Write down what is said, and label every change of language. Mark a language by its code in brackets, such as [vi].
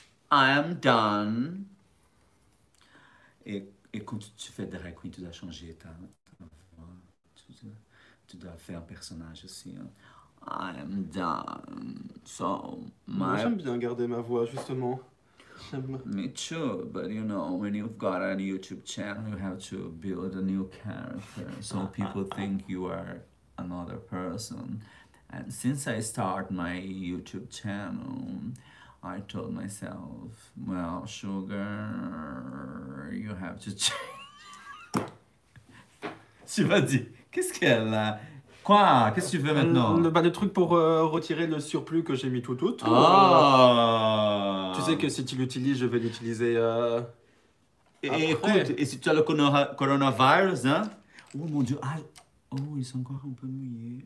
[en] I am done. [fr] Et quand tu fais drag queen, tu dois changer ta voix. Tu dois faire un personnage aussi. Hein. [en] I am done, so my... [fr] Moi, j'aime bien garder ma voix, justement. [en] Me too, but you know, when you've got a YouTube channel, you have to build a new character. So people think you are another person. And since I start my YouTube channel, I told myself, well, sugar, you have to change. [fr] Tu vas dire, qu'est-ce qu'elle a? Quoi? Qu'est-ce que tu veux maintenant? Le truc pour retirer le surplus que j'ai mis tout autour. Oh. Tu sais que si tu l'utilises, je vais l'utiliser Et écoute, et si tu as le coronavirus, hein? Oh mon Dieu, ah, oh, ils sont encore un peu mouillés.